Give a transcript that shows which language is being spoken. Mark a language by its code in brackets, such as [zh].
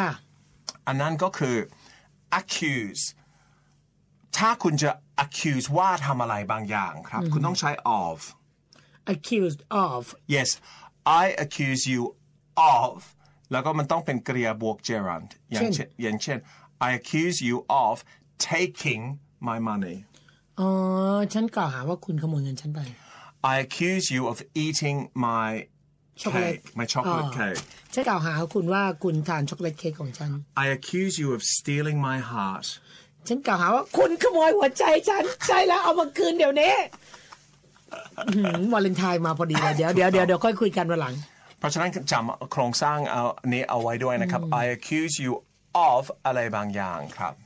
[th] ะอันนั้นก็คือ accuse ถ้าคุณจะ accuse ว่าทำอะไรบางอย่างครับคุณต้องใช้ of [en] accused of yes I accuse you of [th] แล้วก็มันต้องเป็นกริยาบวก [en] gerund อย่างเช่น I accuse you of taking my money [th] ฉันกล่าวหาว่าคุณขโมยเงินฉันไป [en] I accuse you of eating my cake my chocolate cake [th] ฉันกล่าวหาคุณว่าคุณทานช็อกโกแลตเค้กของฉัน [en] I accuse you of stealing my heart [th] ฉันกล่าวหาว่าคุณขโมยหัวใจฉันใช่แล้วเอามาคืนเดี๋ยวนี้วาเลนไทน์มาพอดีเดี๋ยวค่อยคุยกันวันหลัง เพราะฉะนั้นจำโครงสร้างนี้เอาไว้ด้วยนะครับ [en] I accuse you of [th] อะไรบางอย่างครับ